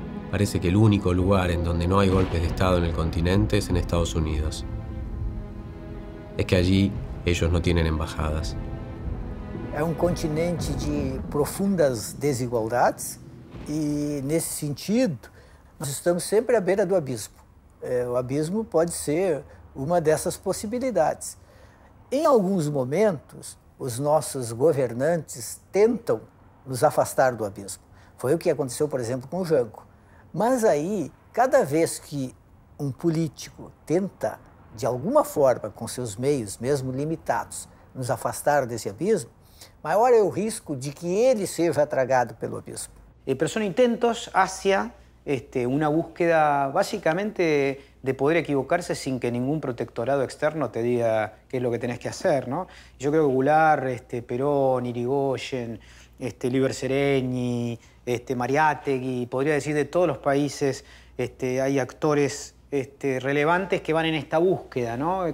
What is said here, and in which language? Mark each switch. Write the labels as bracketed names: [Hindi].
[Spanish] Parece que el único lugar en donde no hay golpes de Estado en el continente es en Estados Unidos. Es que allí ellos no tienen embajadas. Es un continente de profundas desigualdades y, en ese sentido, nos estamos siempre a beira del abismo. El abismo puede ser una de esas posibilidades. [Portuguese] Em alguns momentos, os nossos governantes tentam nos afastar do abismo. Foi o que aconteceu, por exemplo, com o Jango. Mas aí, cada vez que um político tenta, de alguma forma, com seus meios, mesmo limitados, nos afastar desse abismo, maior é o risco de que ele seja tragado pelo abismo. Mas são [Spanish] intentos hacia uma búsqueda, basicamente, de poder equivocarse sin que ningún protectorado externo te diga qué es lo que tenés que hacer, ¿no? Yo creo que Goulart, Perón, Irigoyen, Liber Sereñi, Mariátegui, podría decir de todos los países, hay actores relevantes que van en esta búsqueda, ¿no?